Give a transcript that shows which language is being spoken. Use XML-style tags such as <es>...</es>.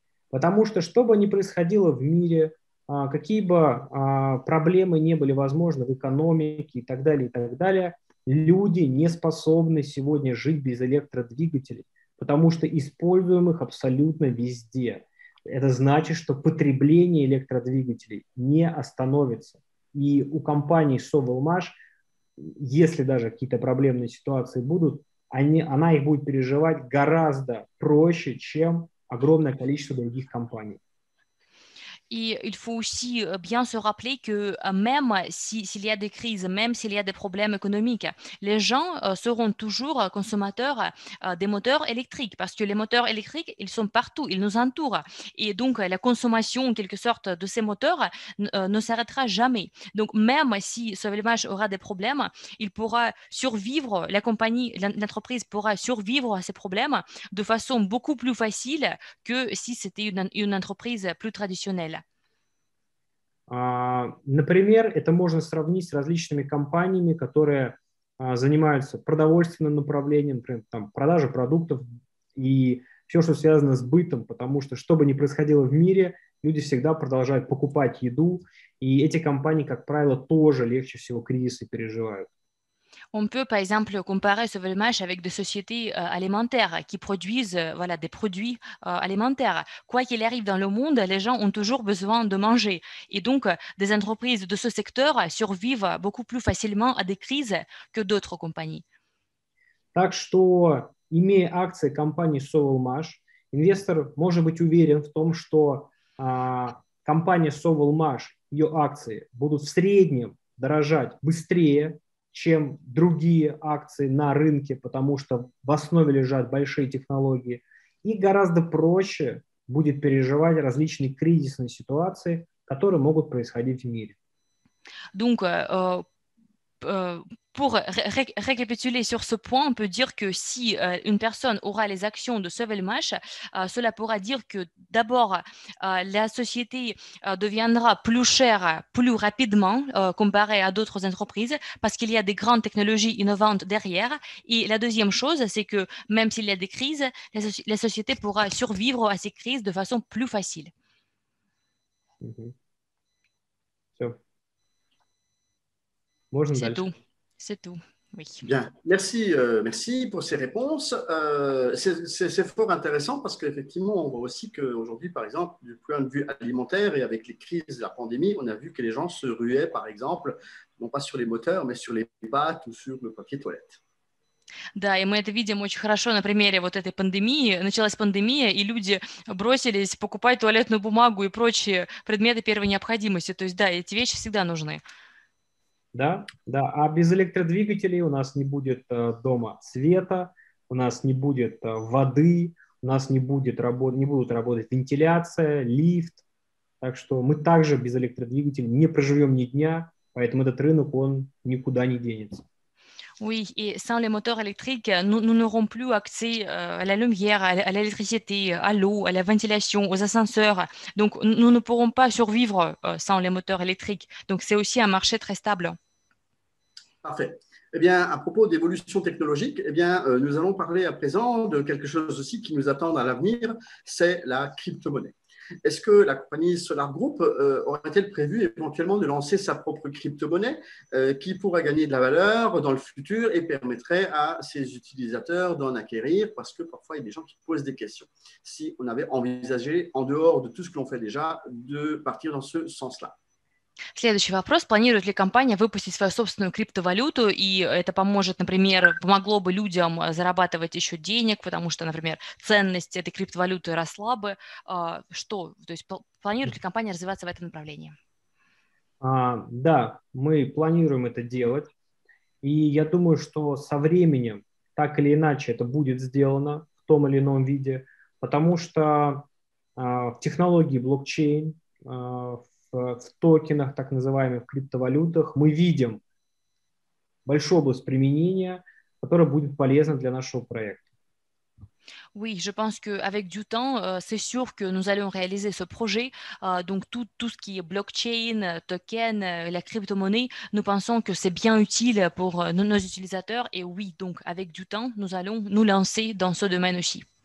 <ru>Потому что, что бы ни происходило в мире, какие бы проблемы не были возможны в экономике и так далее, люди не способны сегодня жить без электродвигателей, потому что используем их абсолютно везде. Это значит, что потребление электродвигателей не остановится. И у компании Sovelmash, если даже какие-то проблемные ситуации будут, она их будет переживать гораздо проще, чем огромное количество других компаний.</ru> <fr>Et il faut aussi bien se rappeler que même s'il y a des crises, même s'il y a des problèmes économiques, les gens seront toujours consommateurs des moteurs électriques parce que les moteurs électriques, ils sont partout, ils nous entourent. Et donc, la consommation, en quelque sorte, de ces moteurs ne s'arrêtera jamais. Donc, même si Sauvage aura des problèmes, il pourra survivre, la compagnie, l'entreprise pourra survivre à ces problèmes de façon beaucoup plus facile que si c'était une entreprise plus traditionnelle.</fr> <ru>Например, это можно сравнить с различными компаниями, которые занимаются продовольственным направлением, например, там, продажа продуктов и все, что связано с бытом, потому что, что бы ни происходило в мире, люди всегда продолжают покупать еду, и эти компании, как правило, тоже легче всего кризисы переживают.</ru> <fr>On peut, par exemple, comparer Sauvelmash avec des sociétés alimentaires qui produisent voilà, des produits alimentaires. Quoi qu'il arrive dans le monde, les gens ont toujours besoin de manger. Et donc, des entreprises de ce secteur survivent beaucoup plus facilement à des crises que d'autres compagnies.</fr> <ru>Так что, имея акции компании Sovelmash, инвестор может быть уверен в том, что компания Sovelmash, ее акции будут в среднем дорожать быстрее, чем другие акции на рынке, потому что в основе лежат большие технологии, и гораздо проще будет переживать различные кризисные ситуации, которые могут происходить в мире.</ru> <fr>Donc, pour récapituler sur ce point, on peut dire que si une personne aura les actions de Sovelmash, cela pourra dire que d'abord, la société deviendra plus chère plus rapidement comparée à d'autres entreprises parce qu'il y a des grandes technologies innovantes derrière. Et la deuxième chose, c'est que même s'il y a des crises, la société pourra survivre à ces crises de façon plus facile.</fr> <ru>Можно</ru> <fr>C'est</fr> <ru>дальше.</ru> <fr>tout. C'est tout. Oui. Bien, merci pour ces réponses. C'est fort intéressant parce qu'effectivement, on voit aussi qu'aujourd'hui, par exemple, du point de vue alimentaire et avec les crises de la pandémie, on a vu que les gens se ruaient, par exemple, non pas sur les moteurs, mais sur les pâtes ou sur le papier toilette.</fr> <ru>Да, и мы это видим очень хорошо на примере вот этой пандемии. Началась пандемия, и люди бросились покупать туалетную бумагу и прочие предметы первой необходимости. То есть, да, эти вещи всегда нужны. Да. А без электродвигателей у нас не будет дома света, у нас не будет воды, у нас не будут работать вентиляция, лифт. Так что мы также без электродвигателей не проживем ни дня, поэтому этот рынок, он никуда не денется.</ru> <fr>Oui, et sans les moteurs électriques, nous n'aurons plus accès à la lumière, à l'électricité, à l'eau, à la ventilation, aux ascenseurs. Donc, nous ne pourrons pas survivre sans les moteurs électriques. Donc, c'est aussi un marché très stable. Parfait. Eh bien, à propos d'évolution technologique, eh bien, nous allons parler à présent de quelque chose aussi qui nous attend à l'avenir, c'est la crypto-monnaie. Est-ce que la compagnie Solar Group aurait-elle prévu éventuellement de lancer sa propre crypto-monnaie qui pourrait gagner de la valeur dans le futur et permettrait à ses utilisateurs d'en acquérir? Parce que parfois, il y a des gens qui posent des questions. Si on avait envisagé, en dehors de tout ce que l'on fait déjà, de partir dans ce sens-là.</fr> <ru>Следующий вопрос. Планирует ли компания выпустить свою собственную криптовалюту, и это поможет, например, помогло бы людям зарабатывать еще денег, потому что, например, ценность этой криптовалюты росла бы. Что? То есть планирует ли компания развиваться в этом направлении? Да, мы планируем это делать, и я думаю, что со временем, так или иначе, это будет сделано в том или ином виде, потому что в технологии блокчейн, в токенах, так называемых криптовалютах, мы видим большую область применения, которая будет полезна для нашего проекта.</ru> <fr>Oui, je pense qu'avec du temps, c'est sûr que nous allons réaliser ce projet. Donc, tout ce qui est blockchain, token, la crypto-monnaie, nous pensons que c'est bien utile pour nos utilisateurs. Et oui, donc, avec du temps, nous allons nous lancer dans ce domaine aussi.</fr>